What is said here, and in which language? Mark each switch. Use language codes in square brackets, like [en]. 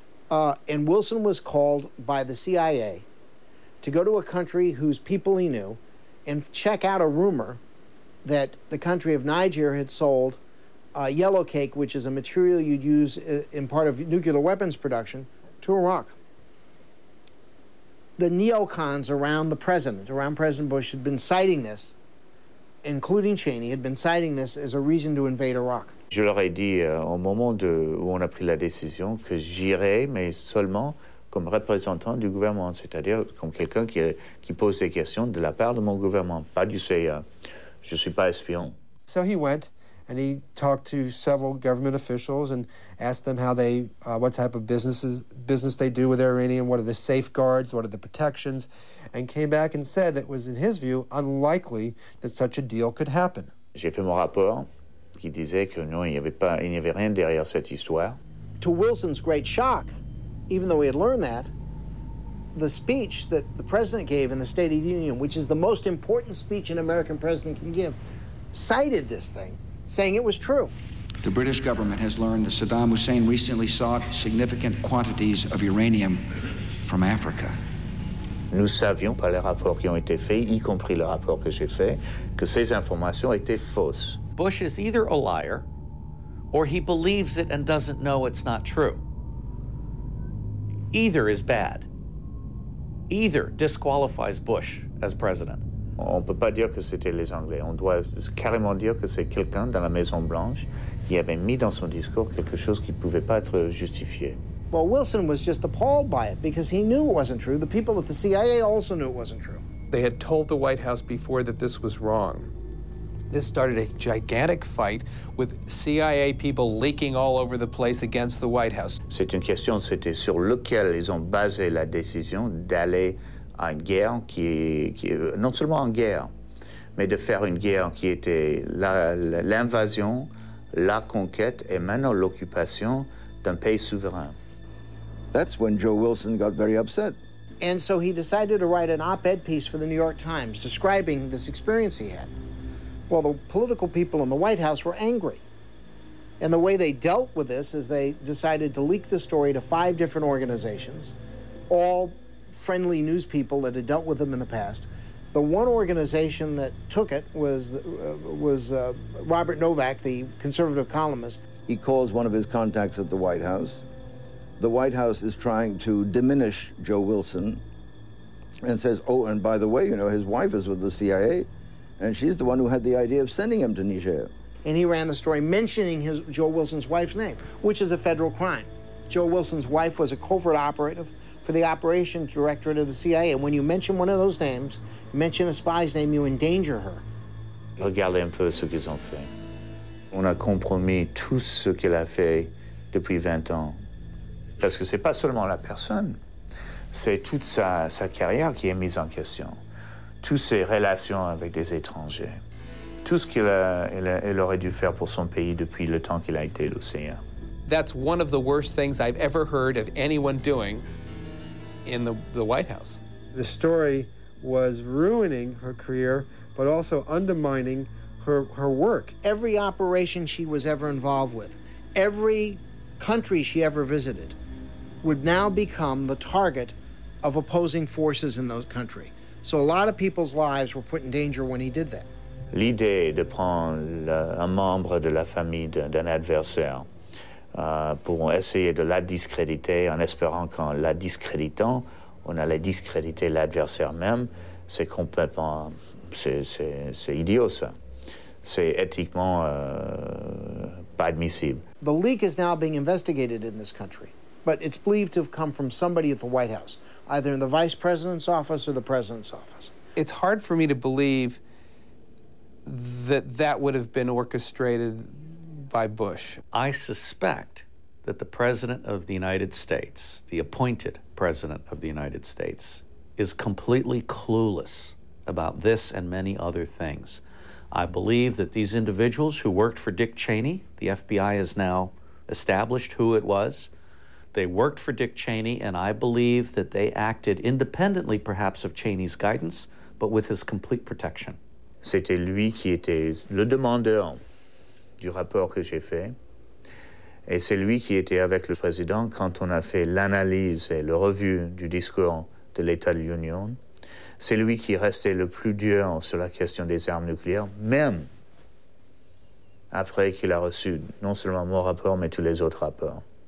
[en] And Wilson was called by the CIA to go to a country whose people he knew and check out a rumor that the country of Niger had sold yellow cake, which is a material you'd use in part of nuclear weapons production, to Iraq. The neocons around the president, around President Bush, had been citing this, including Cheney, had been citing this as a reason to invade Iraq. [fr] Je leur ai dit au moment de, où on a pris la décision que j'irai, mais seulement comme représentant du gouvernement, c'est-à-dire comme quelqu'un qui pose des questions de la part de mon gouvernement, pas du CIA. Je ne suis pas espion. [en] So he went and he talked to several government officials and asked them how they, what type of business they do with Iranian, what are the safeguards, what are the protections, and came back and said that it was, in his view, unlikely that such a deal could happen. [fr] J'ai fait mon rapport. Qui disait que non, il n'y avait rien derrière cette histoire. [en] To Wilson's great shock, even though he had learned that, the speech that the president gave in the State of the Union, which is the most important speech an American president can give, cited this thing, saying it was true. The British government has learned that Saddam Hussein recently sought significant quantities of uranium from Africa. [fr] Nous savions par les rapports qui ont été faits, y compris le rapport que j'ai fait, que ces informations étaient fausses. [en] Bush is either a liar, or he believes it and doesn't know it's not true. Either is bad. Either disqualifies Bush as president. [fr] On peut pas dire que c'était les Anglais. On doit carrément dire que c'est quelqu'un dans la Maison Blanche qui avait mis dans son discours quelque chose qui pouvait pas être justifié. [en] Well, Wilson was just appalled by it because he knew it wasn't true. The people at the CIA also knew it wasn't true. They had told the White House before that this was wrong. This started a gigantic fight with CIA people leaking all over the place against the White House. [fr] C'est une question, c'était sur lequel ils ont basé la décision d'aller en guerre qui non seulement en guerre, mais de faire une guerre qui était l'invasion, la conquête et maintenant l'occupation d'un pays souverain. [en] That's when Joe Wilson got very upset. And so he decided to write an op-ed piece for the New York Times describing this experience he had. Well, the political people in the White House were angry. And the way they dealt with this is they decided to leak the story to five different organizations, all friendly news people that had dealt with them in the past. The one organization that took it was Robert Novak, the conservative columnist. He calls one of his contacts at the White House. The White House is trying to diminish Joe Wilson and says, oh, and by the way, you know, his wife is with the CIA. And she's the one who had the idea of sending him to Niger. And he ran the story mentioning Joe Wilson's wife's name, which is a federal crime. Joe Wilson's wife was a covert operative for the operations directorate of the CIA. And when you mention one of those names, mention a spy's name, you endanger her. [fr] Regardez un peu ce qu'ils ont fait. On a compromis tout ce qu'elle a fait depuis 20 ans. Parce que c'est pas seulement la personne, c'est toute sa carrière qui est mise en question. Toutes ses relations avec des étrangers, tout ce qu'il aurait dû faire pour son pays depuis le temps qu'il a été le CIA. [en] that's one of the worst things I've ever heard of anyone doing in the White House. The story was ruining her career, but also undermining her work. Every operation she was ever involved with, every country she ever visited, would now become the target of opposing forces in those country. So a lot of people's lives were put in danger when he did that. [fr] L'idée de prendre un membre de la famille d'un adversaire pour essayer de la discréditer en espérant qu'en la discréditant, on allait discréditer l'adversaire même, c'est complètement... c'est idiot, ça. C'est éthiquement pas admissible. [en] The leak is now being investigated in this country, but it's believed to have come from somebody at the White House, either in the vice president's office or the president's office. It's hard for me to believe that would have been orchestrated by Bush. I suspect that the president of the United States, the appointed president of the United States, is completely clueless about this and many other things. I believe that these individuals who worked for Dick Cheney, the FBI has now established who it was, they worked for Dick Cheney, and I believe that they acted independently, perhaps, of Cheney's guidance, but with his complete protection. [fr] C'était lui qui était le demandeur du rapport que j'ai fait. Et c'est lui qui était avec le président quand on a fait l'analyse et la revue du discours de l'État de l'Union. C'est lui qui restait le plus dur sur la question des armes nucléaires, même après qu'il a reçu non seulement mon rapport, mais tous les autres rapports.